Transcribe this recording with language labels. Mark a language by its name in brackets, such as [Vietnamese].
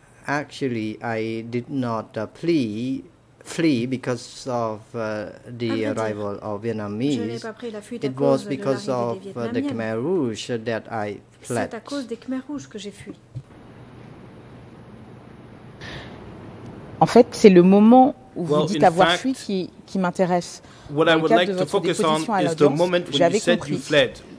[English] Actually, I did not flee because of the arrival of Vietnamese. It was because of the Khmer Rouge that I fled. [French] C'est à cause des Khmer Rouges que j'ai fui. En fait, c'est le moment où vous dites avoir fui qui m'intéresse. [English] What I would like to focus on is the moment when you said you fled.